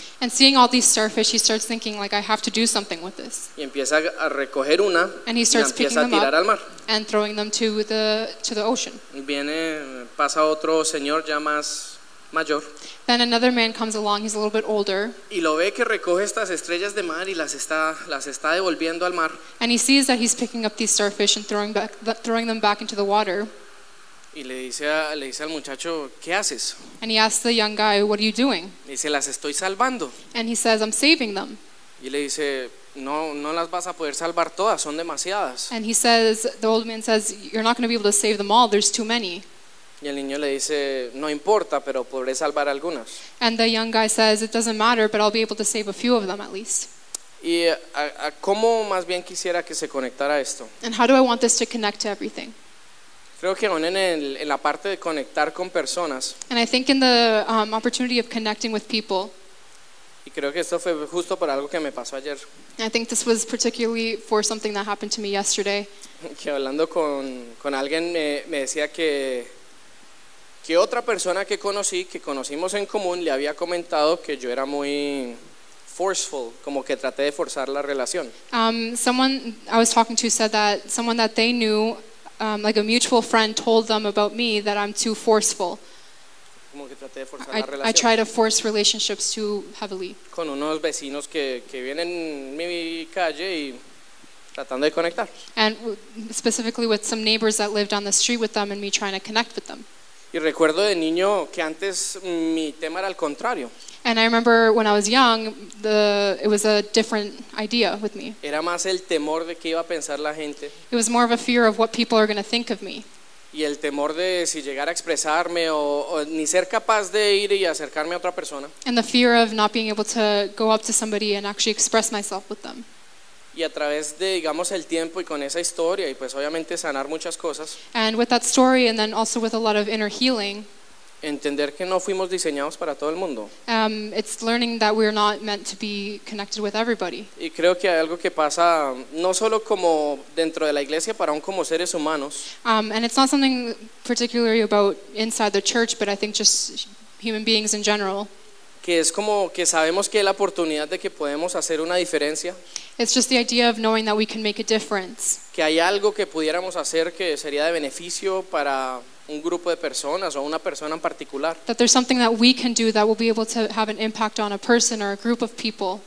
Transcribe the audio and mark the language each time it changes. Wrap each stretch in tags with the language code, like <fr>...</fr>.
<en>And seeing all these starfish, he starts thinking, like, I have to do something with this.</en> <es>Y empieza a recoger una,</es> <en>and he starts</en> <es>y empieza</es> <en>picking</en> <es>a tirar</es> <en>them up</en> <es>al mar.</es> <en>And throwing them to the ocean.</en> <es>Viene, pasa otro señor ya más mayor.</es> <en>Then another man comes along, he's a little bit older.</en> <es>Y lo ve que recoge estas estrellas de mar y las está devolviendo al mar.</es> <en>And he sees that he's picking up these starfish and throwing them back into the water.</en> <es>Y le dice al muchacho, ¿qué haces?</es> <en>And he asks the young guy, what are you doing?</en> <es>Y dice, las estoy salvando.</es> <en>And he says, I'm saving them.</en> <es>Y le dice, no las vas a poder salvar todas, son demasiadas.</es> <en>And he says, the old man says, you're not going to be able to save them all, there's too many.</en> <es>Y el niño le dice, no importa, pero podré salvar algunas.</es> <en>And the young guy says, it doesn't matter, but I'll be able to save a few of them at least.</en> <es>Y a cómo más bien quisiera que se conectara esto.</es> <en>And how do I want this to connect to everything?</en> <es>Creo que aún en la parte de conectar con personas.</es> <en>And I think in the opportunity of connecting with people.</en> <es>Y creo que esto fue justo por algo que me pasó ayer.</es> <en>And I think this was particularly for something that happened to me yesterday.</en> <es>Que hablando con alguien me decía que otra persona que conocimos en común, le había comentado que yo era muy forceful, como que traté de forzar la relación.</es> <en>Someone I was talking to said that someone that they knew, like a mutual friend, told them about me that I'm too forceful.</en> <es>Como que traté de forzar la relación.</es> <en>I try to force relationships too heavily.</en> <es>Con unos vecinos que vienen en mi calle y tratando de conectar.</es> <en>And specifically with some neighbors that lived on the street with them and me trying to connect with them.</en> <es>Y recuerdo de niño que antes mi tema era al contrario.</es> <en>And I remember when I was young, it was a different idea with me.</en> <es>Era más el temor de qué iba a pensar la gente.</es> <en>It was more of a fear of what people are going to think of me.</en> <es>Y el temor de si llegar a expresarme o ni ser capaz de ir y acercarme a otra persona.</es> <en>And the fear of not being able to go up to somebody and actually express myself with them.</en> <es>Y a través de, digamos, el tiempo y con esa historia y pues obviamente sanar muchas cosas.</es> <en>And with that story and then also with a lot of inner healing.</en> <es>Entender que no fuimos diseñados para todo el mundo.</es> <en>It's learning that we're not meant to be connected with everybody.</en> <es>Y creo que hay algo que pasa no solo como dentro de la iglesia, pero aún como seres humanos.</es> <en>And it's not something particularly about inside the church, but I think just human beings in general.</en> <es>Que es como que sabemos que es la oportunidad de que podemos hacer una diferencia.</es> <en>It's just the idea of knowing that we can make a difference.</en> <es>Que hay algo que pudiéramos hacer que sería de beneficio para un grupo de personas o una persona en particular.</es> <en>That there's something that we can do that will be able to have an impact on a person or a group of people.</en>